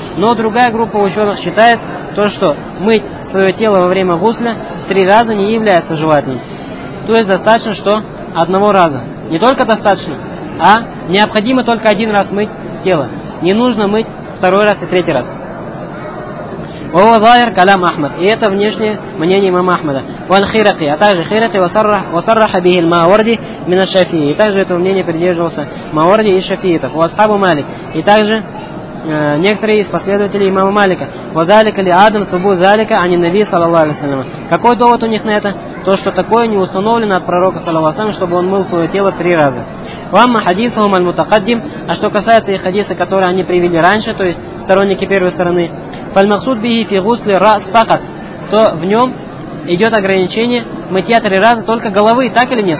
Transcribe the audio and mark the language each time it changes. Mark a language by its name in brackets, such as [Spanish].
[Russian] Но другая группа ученых считает то, что мыть свое тело во время гусля 3 раза не является желательным. То есть достаточно, что 1 раза. Не только достаточно, а необходимо только 1 раз мыть тело. Не нужно мыть 2 раз и 3 раз. [Arabic] وهو ظاهر كلام أحمد. [Russian] И это внешнее мнение имама Ахмада. [Arabic] والخيرقي. [Russian] А также [Arabic] خيرقي وصرح به الماوردي من الشافعي. [Russian] И также этого мнения придерживался Маорди и Шафиитов. [Arabic] وأصحاب مالك. [Russian] И также некоторые из последователей имама Малика. [Arabic] وذلك لعدم ثبوت ذلك عن النبي صلى الله عليه وسلم. [Russian] Какой довод у них на это? То, что такое не установлено от пророка, саллаллаху алейхи ва саллям, чтобы он мыл свое тело 3 раза. [Arabic] وأما حديثهم المتقدم. [Russian] А что касается их хадиса, который они привели раньше, то есть сторонники первой стороны, [Arabic] فالمقصود به في غسل الرأس فقط, [Russian] то в нем идет ограничение мытья 3 раза только головы, так или нет?